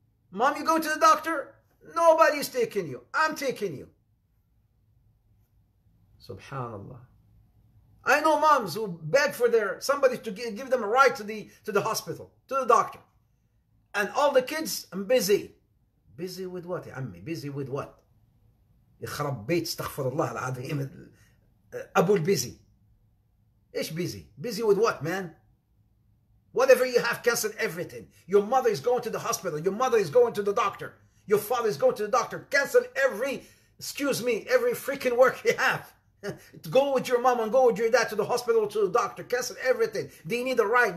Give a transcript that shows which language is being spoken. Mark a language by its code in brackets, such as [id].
[en] Mom, you go to the doctor? Nobody's taking you. I'm taking you. Subhanallah. I know moms who beg for somebody to give them a ride to the hospital, to the doctor. And all the kids, I'm busy. Busy with what, [ar] يا عمي? [en] Busy with what? [ar] يخرب بيت استغفر الله العظيم. أبو البيزي. إيش بيزي? [en] Busy with what, man? Whatever you have, cancel everything. Your mother is going to the hospital. Your mother is going to the doctor. Your father is going to the doctor. Cancel every freaking work you have. Go with your mom and go with your dad to the hospital, to the doctor. Cancel everything. They need a ride.